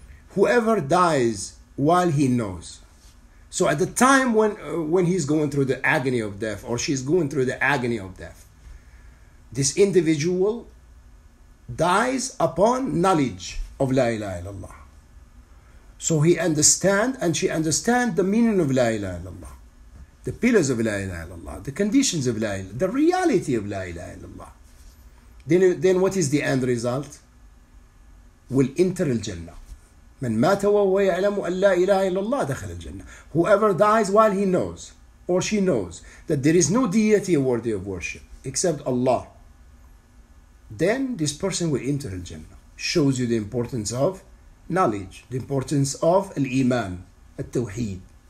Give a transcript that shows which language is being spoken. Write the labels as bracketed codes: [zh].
[en] Whoever dies while he knows. So at the time when he's going through the agony of death, or she's going through the agony of death, this individual dies upon knowledge of [ar] La ilaha illallah. [en] So he understand and she understand the meaning of [ar] La ilaha illallah, [en] the pillars of La ilaha illallah, the conditions of La ilaha illallah, the reality of La ilaha illallah. Then what is the end result? Will enter al-Jannah. [ar] من مات وهو يعلم أن لا إله إلا الله دخل الجنة. [en] Whoever dies while he knows or she knows that there is no deity worthy of worship except Allah, then this person will enter الجنة. Shows you the importance of knowledge, the importance of الإيمان, التوحيد.